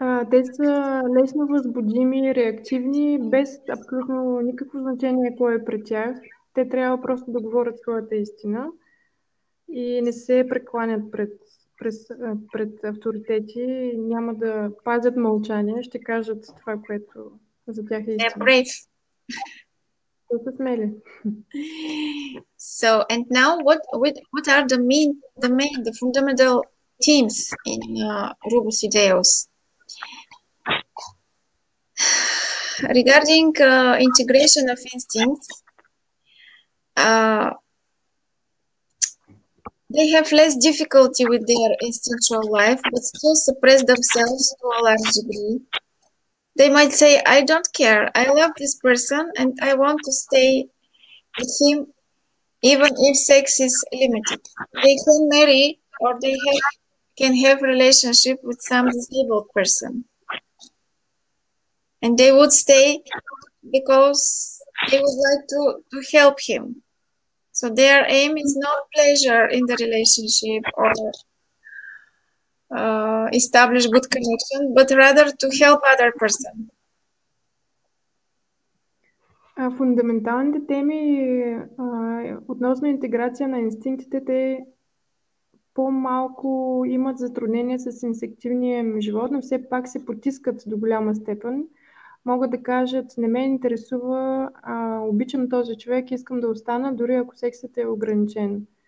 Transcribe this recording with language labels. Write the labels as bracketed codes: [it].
[bg] Те са лесно възбудими, реактивни, без абсолютно никакво значение кой е пред тях. Те трябва просто да говорят своята истина и не се прекланят пред авторитети. Няма да пазят мълчание, ще кажат това, което за тях е истина. [en] They're brave. [bg] Те са смели. [en] So, and now, what are the fundamental themes in Rubus Ideos? Regarding integration of instincts, they have less difficulty with their instinctual life, but still suppress themselves to a large degree. They might say, I don't care, I love this person and I want to stay with him even if sex is limited. They can marry or they can have relationship with some disabled person. And they would stay because they would like to help him. So their aim is not pleasure in the relationship or establish good connection, but rather to help other person. [bg] Фундаменталните теми относно интеграция на инстинктите, те по-малко имат затруднения с инсективния живот, но все пак се потискат до голяма степен. Могат да кажат, не ме интересува, обичам този човек, искам да остана, дори ако сексът е ограничен.